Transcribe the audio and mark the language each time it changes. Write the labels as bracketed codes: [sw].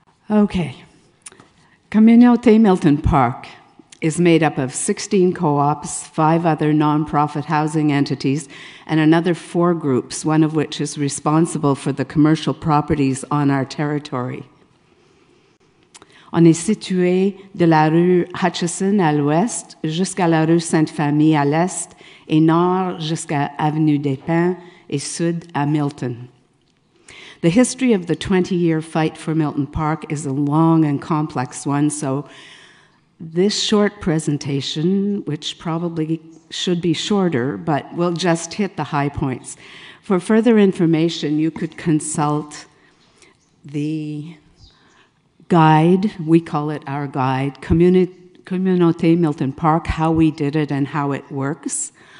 [en] Okay. Communauté Milton Parc is made up of 16 co-ops, 5 other nonprofit housing entities, and another 4 groups, one of which is responsible for the commercial properties on our territory. [fr] On est situé de la rue Hutchison à l'ouest jusqu'à la rue Sainte-Famille à l'est et nord jusqu'à Avenue des Pins et sud à Milton. [en] The history of the 20-year fight for Milton Parc is a long and complex one, so this short presentation, which probably should be shorter, but will just hit the high points. For further information, you could consult the guide, we call it our guide, Communauté Milton Parc, how we did it and how it works.